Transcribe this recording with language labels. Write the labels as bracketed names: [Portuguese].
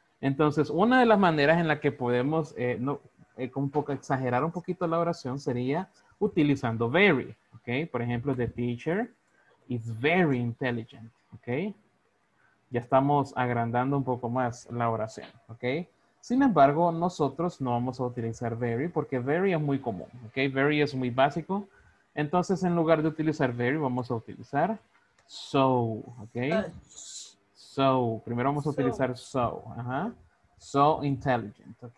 [Spanish] Entonces, una de las maneras en la que podemos exagerar un poquito la oración sería utilizando very, okay? Por ejemplo, [English] the teacher is very intelligent, okay? [Spanish] Ya estamos agrandando un poco más la oración, okay? Sin embargo, nosotros no vamos a utilizar very porque very es muy común, okay? Very es muy básico. Entonces, en lugar de utilizar very, vamos a utilizar so, okay? So, primero vamos a utilizar so, so intelligent, ok.